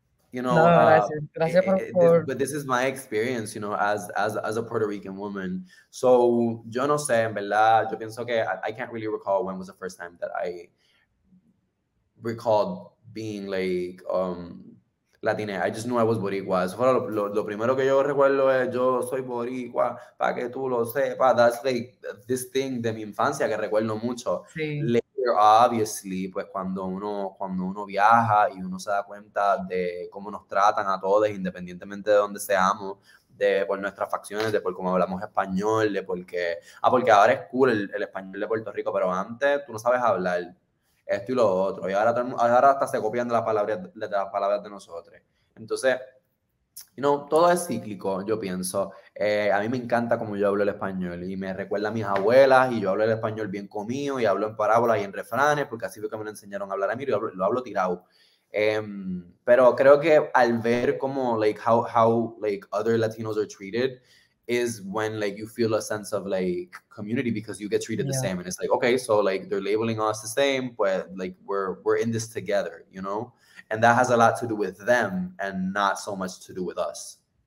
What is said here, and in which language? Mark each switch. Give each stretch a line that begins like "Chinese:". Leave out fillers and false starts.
English: You know, but this is my experience, you know, as a Puerto Rican woman. So
Spanish: yo no sé, en verdad, yo pienso que
English: I can't really recall when was the first time that I recalled being like Latina. I just knew I was Boricua.
Spanish: So lo primero que yo recuerdo es yo soy Boricua, para que tú lo sepas.
English: That's like this thing
Spanish: de mi infancia que recuerdo mucho. Sí. Obviously, pues cuando uno viaja y uno se da cuenta de cómo nos tratan a todos, independientemente de dónde seamos, de por nuestras facciones, de por cómo hablamos español, de por qué. Ah, porque ahora es cool el español de Puerto Rico, pero antes tú no sabes hablar esto y lo otro. Y ahora hasta se copian de las palabras de nosotros. Entonces,
English: you know,
Spanish: todo es cíclico, yo pienso. A mí me encanta como yo hablo el español y me recuerda a mis abuelas y yo hablo el español bien comido y hablo en parábolas y en refranes porque así fue que me lo enseñaron a hablar a mí y lo hablo tirado. Pero creo que al ver como,
English: like, how like, other Latinos are treated is when, like, you feel a sense of, like, community because you get treated the same. And it's like, okay, so, like, they're labeling us the same, but, like, we're in this together, you know? And that has a lot to do with them and not so much to do with us.